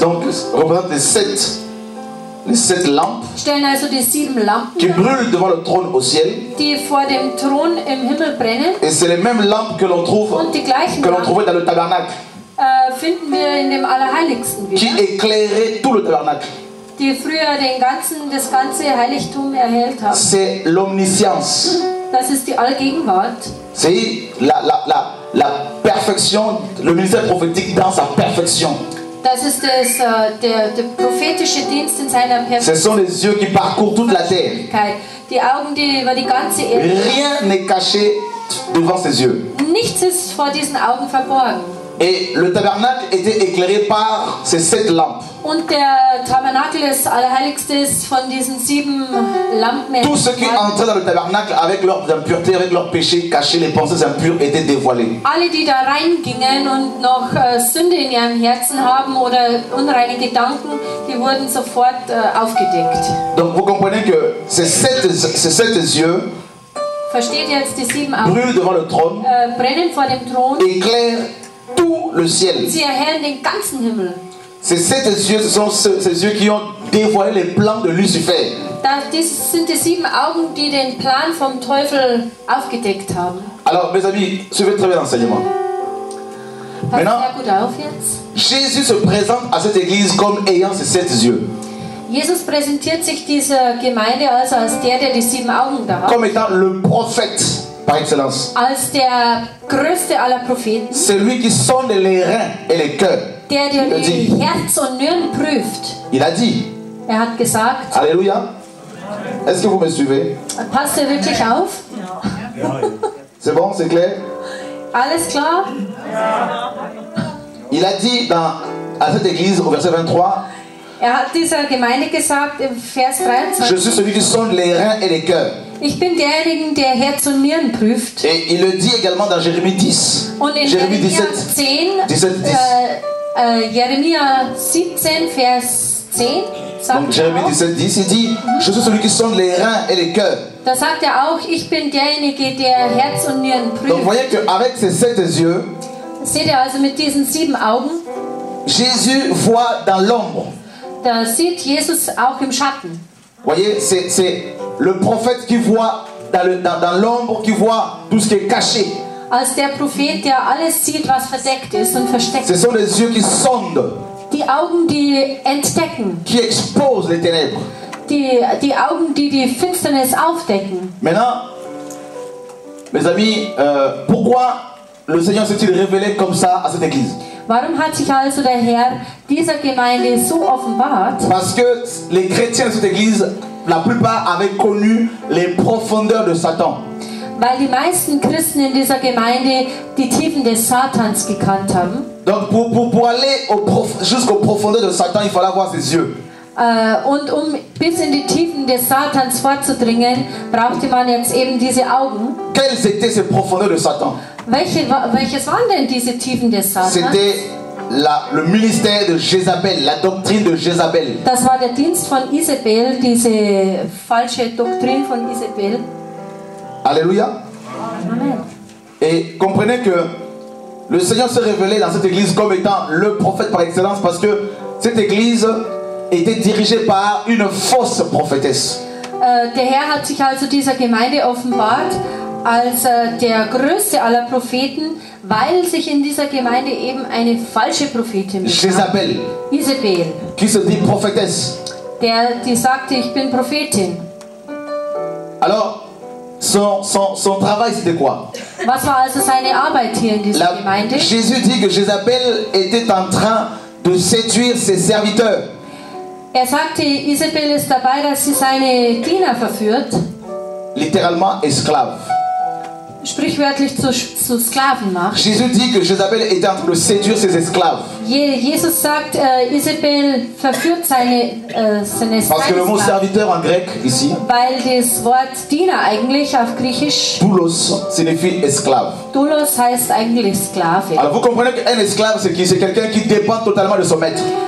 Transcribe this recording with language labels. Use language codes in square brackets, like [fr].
[fr] donc représentent les sept lampes, [de] stellen also die sieben Lampen, [fr] qui brûlent devant le trône au ciel, [de] die vor dem Thron im Himmel brennen, [fr] et c'est les mêmes lampes que l'on trouve, [de] und die gleichen [fr] que l'on trouvait dans le tabernacle, [de] finden wir in dem Allerheiligsten wieder, [fr] qui éclairait tout le tabernacle. [de] Die früher das ganze Heiligtum erhellt haben. [fr] C'est l'omniscience. [de] Das ist die Allgegenwart. [fr] C'est la perfection, le ministère prophétique dans sa perfection. [de] Das ist der prophetische Dienst in seiner Perfektion. [fr] Ce sont les yeux qui parcourent toute la terre. [de] Die Augen, die über die ganze Erde. [fr] Rien n'est caché devant ses yeux. [de] Nichts ist vor diesen Augen verborgen. [fr] Et le tabernacle était éclairé par ces sept lampes. [de] Und der Tabernakel ist allerheiligste von diesen sieben Lampen. [fr] Tous ceux qui entraient dans le tabernacle avec leur impureté, avec leur péché caché, les pensées impures étaient dévoilées. [de] Alle, die da reingingen und noch Sünde in ihrem Herzen haben oder unreine Gedanken, die wurden sofort aufgedeckt. [fr] Donc vous comprenez que ces sept yeux. [de] Versteht jetzt die sieben Augen. [fr] Brûlent devant le trône. [de] Brennen vor dem Thron. [fr] Éclairent tout le ciel. [de] Sie erhellen den ganzen Himmel. [fr] Ces sept yeux, ce sont ces yeux qui ont dévoilé les plans de Lucifer. [de] Das sind die sieben Augen, die den Plan vom Teufel aufgedeckt haben. [fr] Alors, mes amis, suivez très bien l'enseignement. Maintenant, [de] sehr gut auf jetzt. [fr] Jésus se présente à cette église comme ayant ces sept yeux. [de] Jesus präsentiert sich dieser Gemeinde also als der die sieben Augen da hat. [fr] Comme étant le prophète par excellence. [de] Als der größte aller Propheten. [fr] C'est lui qui sonde les reins et les cœurs. [de] Der dir Herz und Nieren prüft. [fr] Il a dit. [de] Er hat gesagt. [fr] Alléluia. Est-ce que vous me suivez? [de] Passt ihr wirklich auf? [fr] Ja. C'est bon, c'est clair? [de] Alles klar? Ja. [fr] Il a dit à cette église au verset 23. [de] Er hat dieser Gemeinde gesagt im Vers 23. [fr] Je suis celui qui sonde les reins et les cœurs. [de] Ich bin derjenige, der Herz und Nieren prüft. [fr] Et il le dit également dans Jérémie 10. [de] Und in Jérémie 17. 10, 17, 10. Jeremia 17, Vers 10. [fr] Donc Jérémie 17, 10, il dit, je suis celui qui sonde les reins et les cœurs. [de] Da sagt auch, ich bin derjenige, der Herz und Nieren prüft. [fr] Donc voyez qu'avec ses sept yeux, [de] seht ihr also mit diesen sieben Augen, [fr] Jésus voit dans l'ombre. [de] Da sieht Jesus auch im Schatten. [fr] Voyez, c'est le prophète qui voit dans l'ombre, qui voit tout ce qui est caché. [de] Als der Prophet, der alles sieht, was verdeckt ist und versteckt. [fr] Ce sont les yeux qui sondent. [de] Die Augen, die entdecken. [fr] Qui exposent les ténèbres. [de] Die Augen, die die Finsternis aufdecken. [fr] Maintenant, mes amis, pourquoi le Seigneur s'est-il révélé comme ça à cette église? [de] Warum hat sich also der Herr dieser Gemeinde so offenbart? [fr] Parce que les chrétiens de cette église, la plupart avaient connu les profondeurs de Satan. [de] Weil die meisten Christen in dieser Gemeinde die Tiefen des Satans gekannt haben. [fr] Donc pour aller jusqu'aux profondeurs de Satan, il fallait avoir ses yeux. [de] Und um bis in die Tiefen des Satans vorzudringen, brauchte man jetzt eben diese Augen. [fr] Quelles étaient ces profondeurs de Satan? [de] Welches waren denn diese Tiefen des Satans? [fr] C'était le ministère de Jézabel, la doctrine de Jézabel. [de] Das war der Dienst von Isabel, diese falsche Doktrin von Isabel. [fr] Alléluia. [de] Amen. [fr] Et comprenez que le Seigneur s'est révélé dans cette église comme étant le prophète par excellence parce que cette église était dirigée par une fausse prophétesse. [de] Der Herr hat sich also dieser Gemeinde offenbart als der größte aller Propheten, weil sich in dieser Gemeinde eben eine falsche Prophetin befand. [fr] Isabel. Qui se dit prophétesse. [de] Die sagte, ich bin Prophetin. [fr] Alors, Son travail, c'était quoi? [de] Was war also seine Arbeit hier in dieser Gemeinde? [fr] Jésus dit que Jézabel était en train de séduire ses serviteurs. [de] Er sagte, Isabel ist dabei, dass sie seine Diener verführt. [fr] Littéralement esclave. [de] Sprichwörtlich zu Sklaven macht. [fr] Jésus dit que Jézabel était en train de séduire ses esclaves. [de] Jesus sagt, Isabel verführt seine Sklaven. [fr] Parce que le mot serviteur en grec ici. [de] Weil das Wort Diener eigentlich auf Griechisch. [fr] Doulos signifie esclave. [de] Doulos heißt eigentlich Sklave. [fr] Alors vous comprenez qu'un esclave c'est quelqu'un qui dépend totalement de son maître.